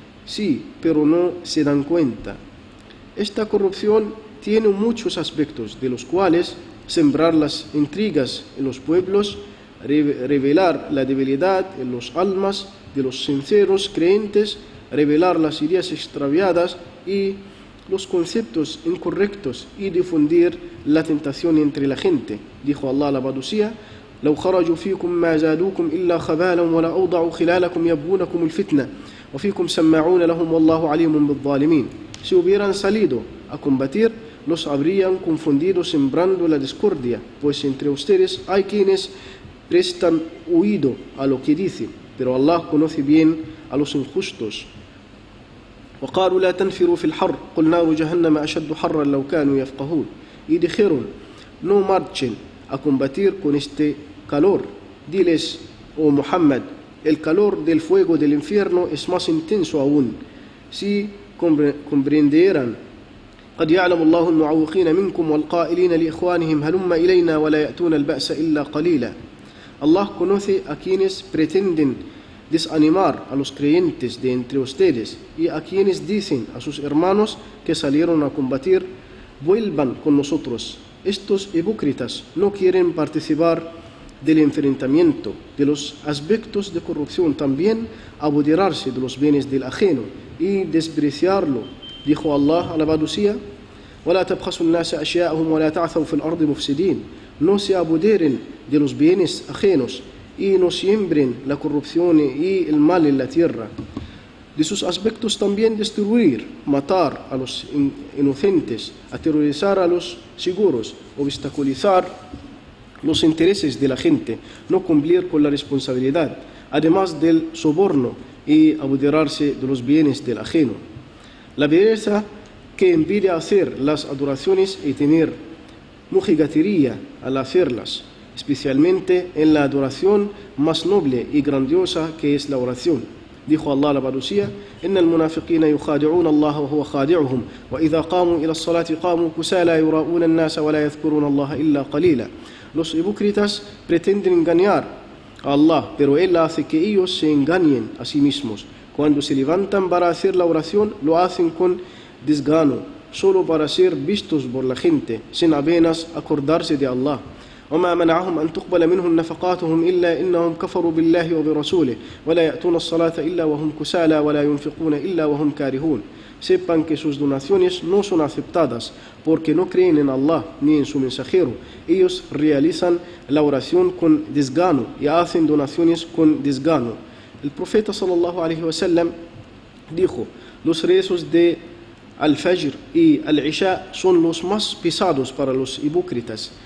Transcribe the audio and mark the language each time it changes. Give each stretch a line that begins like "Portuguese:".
Spanish: Sí, pero no se dan cuenta. Esta corrupción tiene muchos aspectos, de los cuales sembrar las intrigas en los pueblos, revelar la debilidad en las almas de los sinceros creyentes, revelar las ideas extraviadas y los conceptos incorrectos y difundir la tentación entre la gente. Dijo Allah la Badusía,
Arabic: لو خرجوا فيكم ما زادوكم إلا خبالا ولا أوضعوا خلالكم يبغونكم الفتنة وفيكم سماعون لهم والله عليم بالظالمين.
Spanish: Si hubieran salido a combatir, los habrían confundido sembrando la discordia, pues entre ustedes hay quienes prestan oído a lo que dicen, pero Allah conoce bien a los injustos.
Arabic: وقالوا لا تنفروا في الحر قل نار جهنم أشد حرا لو كانوا يفقهون.
Spanish: Y dijeron, no marchen a combatir con este calor. Diles, oh Muhammad, el calor del fuego del infierno es más intenso aún. Si comprendieran,
Arabic: قد يعلم الله المعوقين منكم والقائلين لإخوانهم هلم إلينا ولا يأتون البأس إلا قليلا.
Spanish: Allah conoce a quienes pretenden desanimar a los creyentes de entre ustedes y a quienes dicen a sus hermanos que salieron a combatir, vuelvan con nosotros. Estos hipócritas no quieren participar del enfrentamiento, de los aspectos de corrupción, también apoderarse de los bienes del ajeno y despreciarlo. Dijo Allah a la Badusía,
Arabic: وَلَا تَبْخَسُ النَّاسَ أَشْيَاءَهُمْ وَلَا تَعْثَوْا فِي الْأَرْضِ مُفْسِدِينَ.
Spanish: No se apoderen de los bienes ajenos y no siembren la corrupción y el mal en la tierra. De sus aspectos también destruir, matar a los inocentes, aterrorizar a los seguros, obstaculizar los intereses de la gente, no cumplir con la responsabilidad, además del soborno y apoderarse de los bienes del ajeno. La belleza que impide hacer las adoraciones y tener mojigatería al hacerlas, especialmente en la adoración más noble y grandiosa que es la oración. Dijo Allah la Badusía,
Arabic: إن المنافقين يخادعون الله وهو خادعهم وإذا قاموا إلى الصلاة قاموا كسالى يراؤون الناس ولا يذكرون الله إلا قليلا.
Spanish: Los hipócritas pretenden engañar a Allah, pero Él hace que ellos se engañen a sí mismos. Cuando se levantan para hacer la oración, lo hacen con desgano, solo para ser vistos por la gente, sin apenas acordarse de Allah.
Arabic: وما منعهم أن تقبل منهم نفقاتهم إلا إنهم كفروا بالله وبرسوله ولا يأتون الصلاة إلا وهم كسالى ولا ينفقون إلا وهم كارهون.
Spanish: Sepan que sus donaciones no son aceptadas porque no creen en Allah ni en su mensajero. Ellos realizan la oración con desgano y hacen donaciones con desgano. El profeta sallallahu alayhi wa sallam dijo, los rezos de al-Fajr y al-Isha son los más pesados para los hipócritas.